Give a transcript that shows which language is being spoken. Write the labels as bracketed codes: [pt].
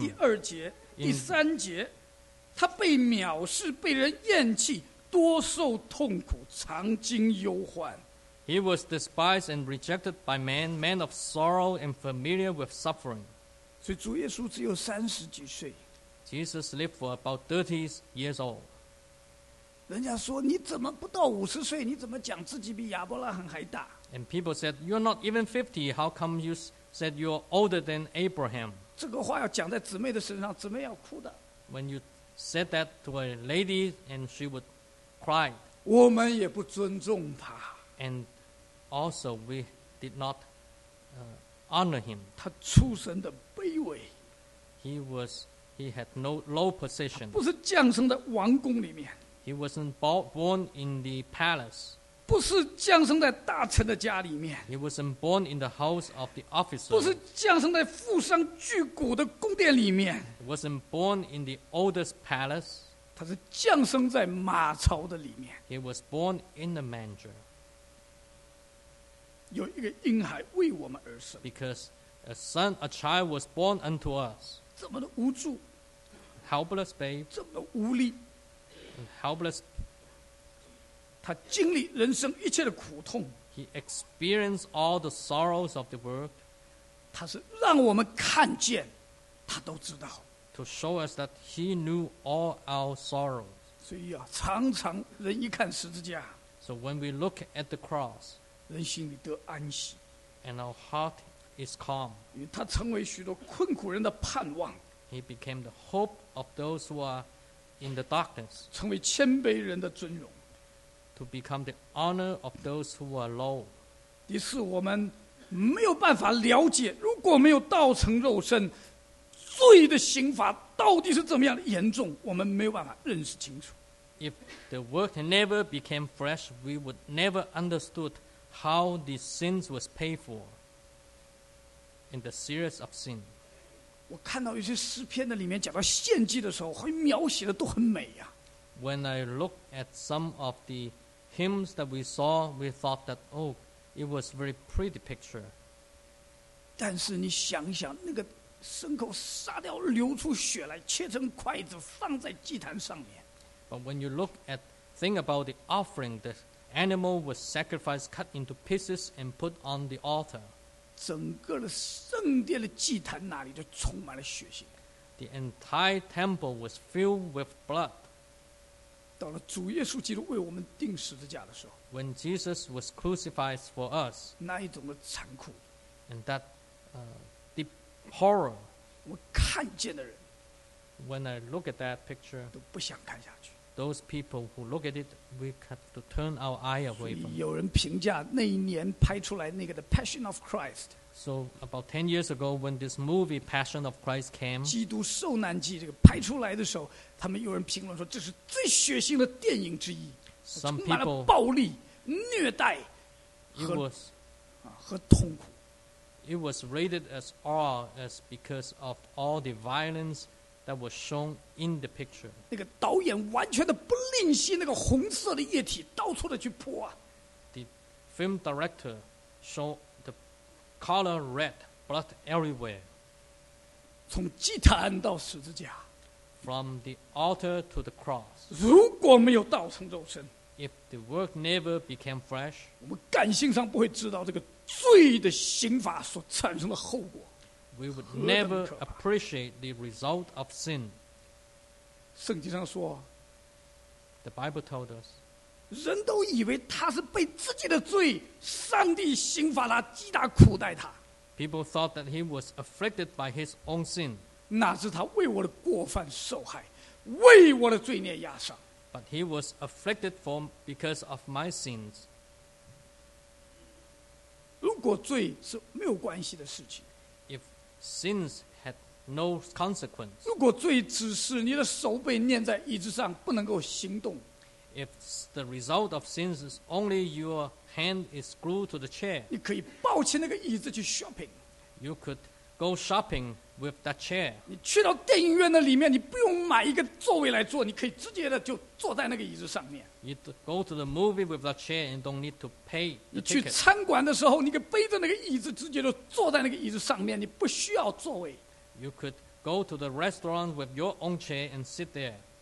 [zh] 第二节，第三节，他被藐视，被人厌弃，多受痛苦，常经忧患。 [en] He was despised and rejected by men, men of sorrow and familiar with suffering. [zh] 所以主耶稣只有三十几岁。 [en] Jesus lived for about 30 years old. [zh] 人家说你怎么不到五十岁？你怎么讲自己比亚伯拉罕还大 [en] ？And people said, "You're not even 50. How come you said you're older than Abraham?" [zh] 这个话要讲在姊妹的身上，姊妹要哭的。 [en] When you said that to a lady, and she would cry. [zh] 我们也不尊重他。 [en] And also, we did not honor him. [zh] 他出身的卑微。 [en] He had no low position. [zh] 不是降生在王宫里面。 [en] He wasn't born in the palace. [zh] 不是降生在大臣的家里面。 [en] He wasn't born in the house of the officer. [zh] 不是降生在富商巨贾的宫殿里面。 [en] He wasn't born in the oldest palace. [zh] 他是降生在马槽的里面。 [en] He was born in the manger. [zh] 有一个婴孩为我们而生。 [en] Because a child was born unto us. [zh] 怎么的无助。 [en] Helpless babe. [zh] 怎么的无力。 [en] Helpless. [zh] 他经历人生一切的苦痛。 [en] He experienced all the sorrows of the world. [zh] 他是让我们看见，他都知道。 [en] To show us that he knew all our sorrows. [zh] 所以啊，常常人一看十字架。 [en] So when we look at the cross, [zh] 人心里得安息。 [en] And our heart is calm. [zh] 因为他成为许多困苦人的盼望。 [en] He became the hope of those who are in the darkness, [zh] 成为谦卑人的尊荣。 [en] To become the honor of those who are low. [zh] 第四，我们没有办法了解，如果没有道成肉身，罪的刑罚到底是怎么样的严重，我们没有办法认识清楚。 [en] If the word never became flesh, we would never understood how the sins was paid for in the series of sin. [zh] 我看到有些诗篇的里面讲到献祭的时候，会描写的都很美呀。 [en] When I look at some of the hymns that we saw, we thought that oh, it was a very pretty picture. [zh] 但是你想想，那个牲口杀掉，流出血来，切成筷子，放在祭坛上面。 [en] But when you look at think about the offering, the animal was sacrificed, cut into pieces, and put on the altar. [zh] 整个的圣殿的祭坛那里就充满了血腥。 [en] The entire temple was filled with blood. [zh] 到了主耶稣基督为我们钉十字架的时候 [en] ，When Jesus was crucified for us， [zh] 那一种的残酷 [en] ，And that deep horror， [zh] 我看见的人 [en] ，When I look at that picture， [zh] 都不想看下去。 [en] Those people who look at it, we have to turn our eye away from. [zh] 有人评价那一年拍出来那个的《Passion of Christ》。 [en] So about 10 years ago, when this movie Passion of Christ came, [zh] 基督受难记这个拍出来的时候，他们有人评论说这是最血腥的电影之一， [en] Some people, [zh] 充满了暴力、虐待和 和痛苦。 [en] It was rated as R as because of all the violence. That was shown in the picture. [zh] 那个导演完全的不吝惜那个红色的液体到处的去泼啊。 [en] The film director showed the color red blood everywhere. [zh] 从祭坛到十字架。 [en] From the altar to the cross. [zh] 如果没有道成肉身。 [en] If the word never became flesh. [zh] 我们感性上不会知道这个罪的刑罚所产生的后果。 [en] We would never appreciate the result of sin. [zh] 圣经上说 [en] The Bible told us. [zh] 人都以为他是被自己的罪，上帝刑罚他，击打苦待他。 [en] People thought that he was afflicted by his own sin. [zh] 那是他为我的过犯受害，为我的罪孽压伤。 [en] But he was afflicted for because of my sins. [zh] 如果罪是没有关系的事情。 [en] Sins had no consequence. [zh] 如果罪只是你的手被捏在椅子上，不能够行动。 [en] If the result of sins is only your hand is glued to the chair, [zh] 你可以抱起那个椅子去shopping。 [en] You could go shopping with that chair. [zh] 你去到电影院的里面，你不用买一个座位来坐，你可以直接的就坐在那个椅子上面。 [en] You go to the movie with that chair and don't need to pay the ticket. [zh] 你去餐馆的时候，你可以背着那个椅子直接的坐在那个椅子上面，你不需要座位。 [en] You could go to the restaurant with your own chair and sit there.